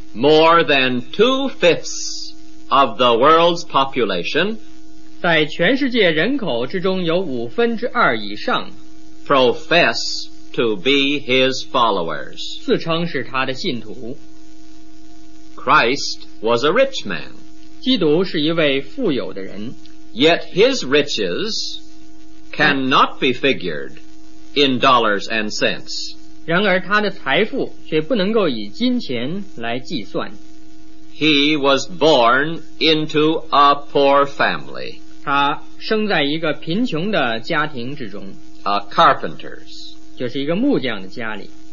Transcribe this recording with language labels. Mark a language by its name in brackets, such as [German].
[English] more than two-fifths of the world's population, [Chinese] 在全世界人口之中有五分之二以上 [English] profess to be his followers, [Chinese] 自称是他的信徒。 [English] Christ was a rich man. [Chinese] 基督是一位富有的人。 [English] Yet his riches cannot be figured in dollars and cents. [Chinese] 然而他的财富却不能够以金钱来计算。 [English] He was born into a poor family. [Chinese] 他生在一个贫穷的家庭之中。 [English] A carpenter's. [Chinese] 就是一个木匠的家里。